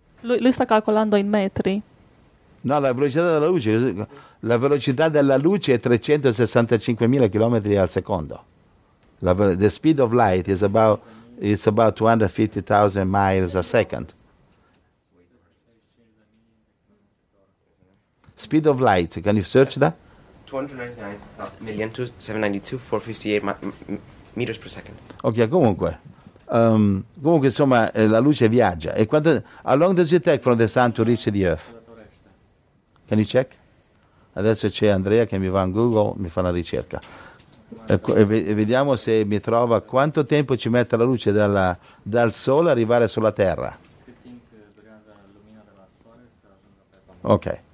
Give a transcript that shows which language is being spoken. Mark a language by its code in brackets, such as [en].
[it] Lui sta calcolando in metri. No, la velocità della luce. Sì. La velocità della luce è 365.000 chilometri al secondo. [en] The speed of light is about... It's about 250,000 miles a second. Speed of light, can you search that? 299,792,458 meters per second. [it] Ok, comunque. Comunque, insomma, la luce viaggia. E quanto, [en] how long does it take from the sun to reach the earth? Can you check? [it] Adesso c'è Andrea che mi va in Google, mi fa una ricerca. E vediamo se mi trova quanto tempo ci mette la luce dal sole arrivare sulla Terra. Ok.